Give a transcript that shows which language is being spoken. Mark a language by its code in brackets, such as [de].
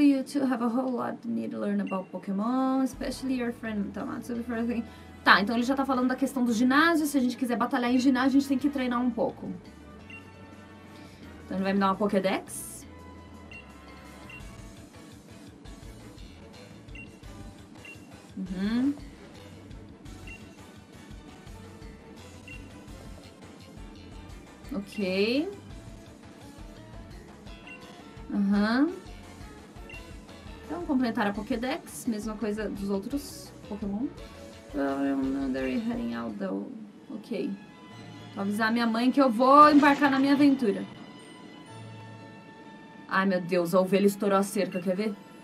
[en] You two have a whole lot you need to learn about Pokémon, especially your friend Tamatsu before I think. [pt] Tá, então ele já tá falando da questão do ginásio. Se a gente quiser batalhar em ginásio, a gente tem que treinar um pouco. Então ele vai me dar uma Pokédex. Ok. Então, completar a Pokédex, mesma coisa dos outros Pokémon. [en] They're heading out though. [pt] Ok. Vou avisar minha mãe que eu vou embarcar na minha aventura. Ai meu Deus, a ovelha estourou a cerca, quer ver?